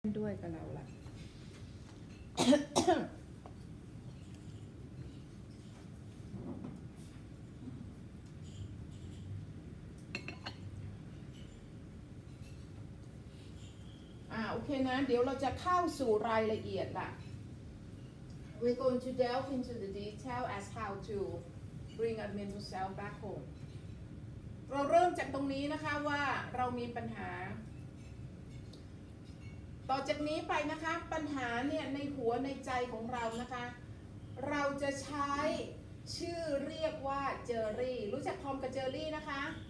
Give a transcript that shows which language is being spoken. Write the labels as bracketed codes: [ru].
[th] กับเราล่ะโอเคนะเดี๋ยวเราจะเข้าสู่รายละเอียดล่ะ [en] We're going to delve into the detail as how to bring a mental self back home [th] เราเริ่มจากตรงนี้นะคะว่าเรามีปัญหาต่อจากนี้ไปนะคะปัญหาเนี่ยในหัวในใจของเรานะคะเราจะใช้ชื่อเรียกว่าเจอรี่รู้จักทอมกับเจอรี่นะคะ